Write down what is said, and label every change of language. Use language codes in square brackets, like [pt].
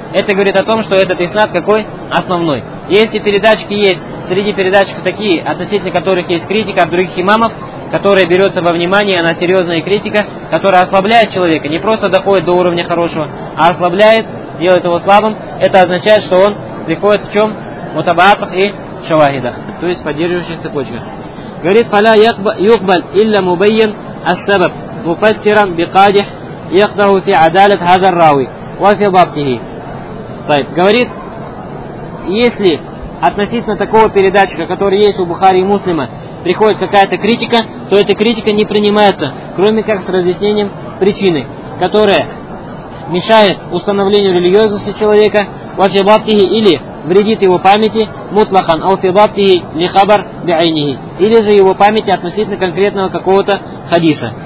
[ru] Это говорит о том, что этот иснад какой? Основной. Если передатчики есть, среди передатчиков такие, относительно которых есть критика от других имамов, которая берется во внимание, она серьезная критика, которая ослабляет человека, не просто доходит до уровня хорошего, а ослабляет, делает его слабым, это означает, что он приходит в чем? Мутабаатах и шавахидах, то есть в поддерживающих цепочках. Говорит, «Фаля юхбаль илля мубайян ассабаб». [ar] مفسرا بقادح يقطع في عدالة هذا الراوي وفي ضبطه. [ru] طيب, говорит, если относительно такого передатчика, который есть у Бухари и Муслима, приходит какая-то критика, то эта критика не принимается, кроме как с разъяснением причины, которая мешает установлению религиозности человека, [ar] وفي ضبطه, [ru] или вредит его памяти, мутлахан, [ar] او في ضبطه لخبر بعينه, [ru] или же его памяти относительно конкретного какого-то хадиса.